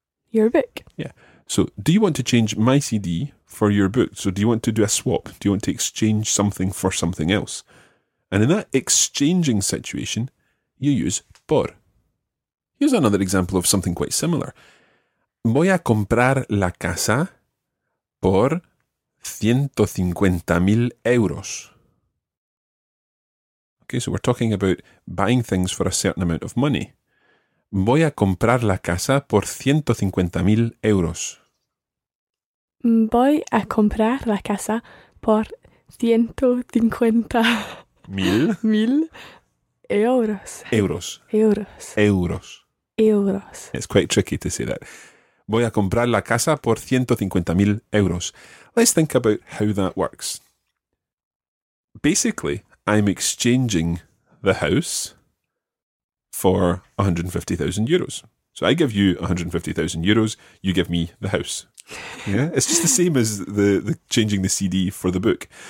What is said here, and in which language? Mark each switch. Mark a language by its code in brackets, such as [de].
[en] your book. Yeah. So, do you want to change my CD for your book? So, do you want to do a swap? Do you want to exchange something for something else? And in that exchanging situation, you use por. Here's another example of something quite similar. [es] Voy a comprar la casa por 150,000 euros. [en] Okay, so we're talking about buying things for a certain amount of money. [es] Voy a comprar la casa por 150,000 euros. Voy a comprar la casa por 150,000 euros. Euros. Euros. Euros. Euros. [en] It's quite tricky to say that. [es] Voy a comprar la casa por 150,000 euros. [en] Let's think about how that works. Basically, I'm exchanging the house for 150,000 euros. So I give you 150,000 euros, you give me the house. Yeah, it's just the same as the changing the CD for the book.